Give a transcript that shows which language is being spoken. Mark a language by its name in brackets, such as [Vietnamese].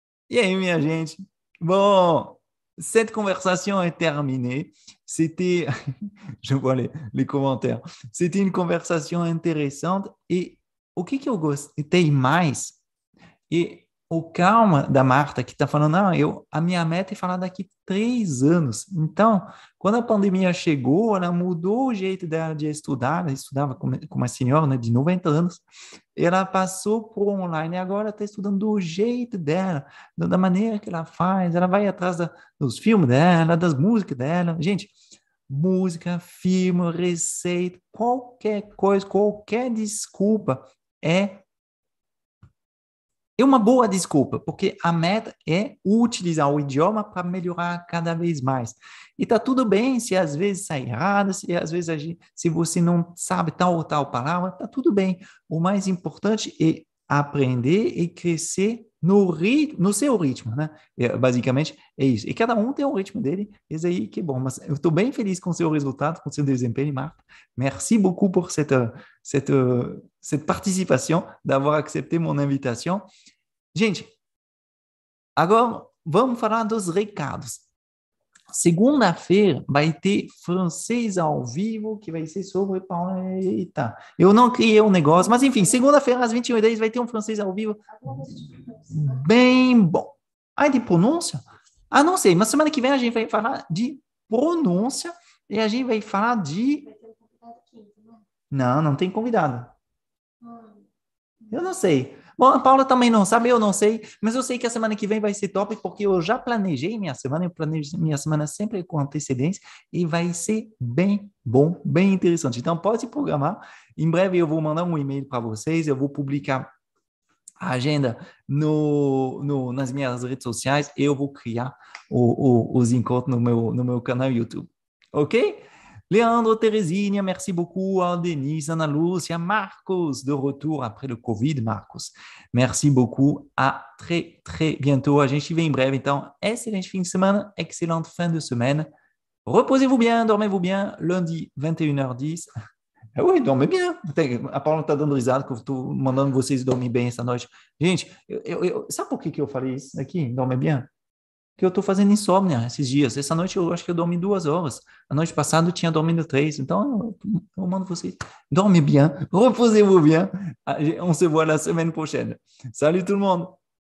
[Portuguese] Et aí, minha gente? [French] Bon, cette conversation est terminée. C'était, je vois les commentaires. C'était une conversation intéressante et [Portuguese] o que eu gostei mais? E o calma da Marta que está falando, não, a minha meta é falar daqui 3 anos. Então, quando a pandemia chegou, ela mudou o jeito dela de estudar. Ela estudava com uma senhora, né, de 90 anos. Ela passou para o online e agora está estudando do jeito dela, da maneira que ela faz. Ela vai atrás dos filmes dela, das músicas dela. Gente, música, filme, receita, qualquer coisa, qualquer desculpa é uma boa desculpa, porque a meta é utilizar o idioma para melhorar cada vez mais. E tá tudo bem se às vezes sai errado, se às vezes se você não sabe tal ou tal palavra, tá tudo bem. O mais importante é aprender e crescer no seu ritmo, né? Basicamente é isso. E cada um tem o ritmo dele, isso aí que é bom. Mas eu estou bem feliz com o seu resultado, com o seu desempenho, Marco. [French] Merci beaucoup por cette participation, d'avoir accepté mon invitation. [Portuguese] Gente, agora vamos falar dos recados. Segunda-feira vai ter francês ao vivo, que vai ser sobre Paulo. Eita, eu não criei um negócio, mas enfim, segunda-feira às 21h10 vai ter um francês ao vivo. Bem bom. Ah, de pronúncia? Ah, não sei, mas semana que vem a gente vai falar de pronúncia e a gente vai falar de. Não, não tem convidado. Eu não sei. Bom, a Paula também não sabe, eu não sei, mas eu sei que a semana que vem vai ser top, porque eu já planejei minha semana, eu planejo minha semana sempre com antecedência, e vai ser bem bom, bem interessante. Então, pode programar. Em breve eu vou mandar um e-mail para vocês, eu vou publicar a agenda nas minhas redes sociais, e eu vou criar os encontros no meu canal YouTube. Ok? Leandro, Teresinha, [French] merci beaucoup. À Denise, Ana Lúcia, Marcos, de retour après le Covid, Marcos. Merci beaucoup. À très, très bientôt. [Portuguese] A gente vem em breve. Então, excelente fim de semana, excelente [French] fin de semaine. Reposez-vous bien, dormez-vous bien. Lundi, 21h10. Oui, dormez bien. [Portuguese] A Paula está dando risada que eu estou mandando vocês dormir bem essa noite. Gente, sabe por que eu falei isso aqui? [French] Dormez bien. [Portuguese] Que eu estou fazendo insônia esses dias. Essa noite eu acho que eu dormi 2 horas. A noite passada eu tinha dormido 3. Então eu mando você. [French] Dorme bien. Reposez-vous bien. On se voit la semaine prochaine. Salut tout le monde.